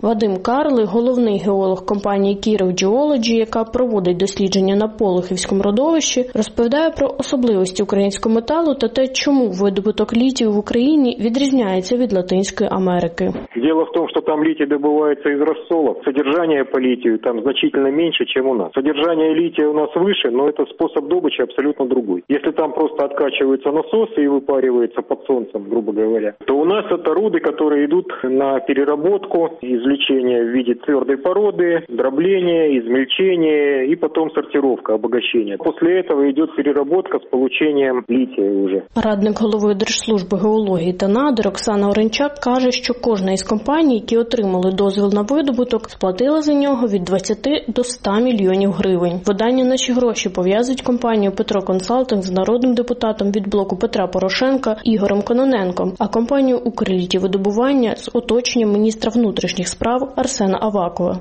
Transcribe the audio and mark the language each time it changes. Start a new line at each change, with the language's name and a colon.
Ukrainian: Вадим Карли, головний геолог компанії «Кіров Джіолоджі», яка проводить дослідження на Полохівському родовищі, розповідає про особливості українського металу та те, чому видобуток літію в Україні відрізняється від Латинської Америки. Діло в тому, що там літій добувається із розсолок. Содержання по літію там
Russian: значительно
Ukrainian: менше, ніж у нас. Содержання літію
Russian: у нас выше, но это способ добычи абсолютно другой. Если там просто откачиваются насосы и выпариваются под солнцем, грубо говоря, то у нас это руды, которые идут на переработку, извлечение в виде твердой породы, дробление, измельчение и потом сортировка, обогащение. После этого идет переработка с получением лития уже.
Ukrainian: Радник голови Держслужби геології та надр Оксана Оренчак каже, що кожна із компаній, які отримали дозвіл на видобуток, сплатила за нього від 20 до 100 мільйонів гривень. Видання на ці гроші пов'язують компанію «Петро Консалтинг» з народним депутатом від блоку Петра Порошенка Ігорем Кононенком, а компанію «Укрлітівидобування» з оточенням міністра внутрішніх справ Арсена Авакова.